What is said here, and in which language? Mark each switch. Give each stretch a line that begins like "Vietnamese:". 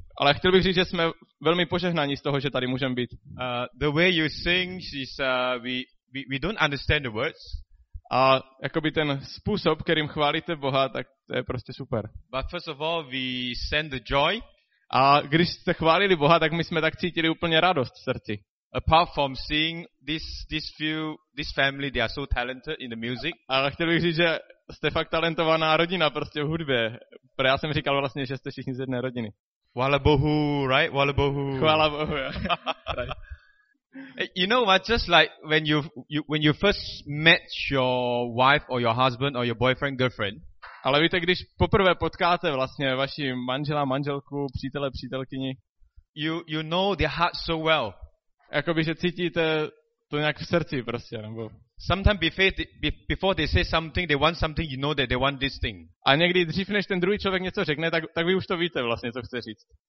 Czech: Ale chtěl bych říct, že jsme velmi požehnáni z toho, že tady můžeme být.
English: The way you sing is we don't understand the words.
Czech: A jakoby ten způsob, kterým chválíte Boha, tak to je prostě super.
English: But first of all, we send the joy.
Czech: A když jste chválili Boha, tak my jsme tak cítili úplně radost v srdci.
English: Apart from seeing this family, they are so talented in the music.
Czech: Ale chtěl bych říct, že jste fakt talentovaná rodina prostě v hudbě. Pro já jsem říkal vlastně, že jste všichni z jedné rodiny. Chvála Bohu,
English: right?
Czech: Chvála Bohu. Chvála Bohu.
English: You know what? Just like when you first met your wife or your husband or your boyfriend, girlfriend.
Czech: Ale víte, když poprvé potkáte vlastně vaši manžela, manželku, přítele, přítelkyni.
English: You know their heart so well.
Czech: Jakoby, že cítíte to nějak v srdci prostě, nebo...
English: Sometimes before they say something, they want something, you know that they want this thing.
Czech: A někdy dřív, než ten druhý člověk něco řekne, tak vy už to víte vlastně, co chce říct.